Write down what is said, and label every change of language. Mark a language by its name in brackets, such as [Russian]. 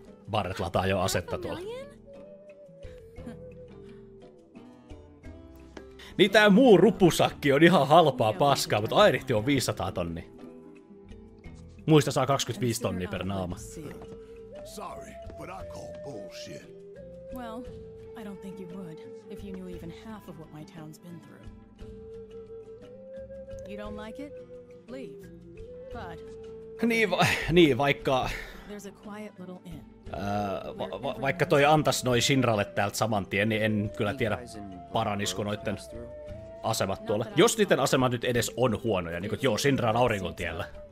[Finnish] Barret lataa jo asetta tuolla. Niin tää muu rupusakki on ihan halpaa paskaa, mutta airihti on 500 tonni. Muista saa 25 tonnia per naama. [English] Sorry, but I call bullshit. Well, I don't think you would, if you knew even half of what my town's been through. You don't like it? Leave. But... [Finnish] Niin vaikka... [English] There's a quiet little inn. [Finnish] Vaikka toi antas noi Shinralle täältä saman tien, niin en kyllä tiedä, paranisko noitten asemat tuolla. Jos niiden asemat nyt edes on huonoja, niin kuin joo, Shinran auringon tiellä.